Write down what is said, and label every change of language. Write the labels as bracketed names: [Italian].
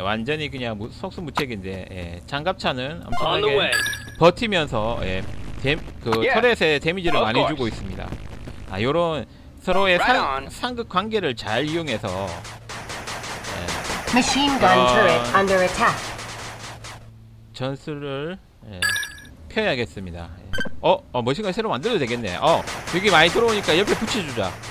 [Korean] 완전히 그냥 속수무책인데 예, 장갑차는 엄청나게 버티면서 예, 그 [English] yeah. [Korean] 터렛에 데미지를 많이 주고 있습니다. 아 요런 서로의 [English] right [Korean] 상극 관계를 잘 이용해서 [English] 예, Machine gun turret under attack. [Korean] 전술을 예, 펴야겠습니다. 어, 머신건 새로 만들어도 되겠네. 어, 여기 많이 들어오니까 옆에 붙여주자.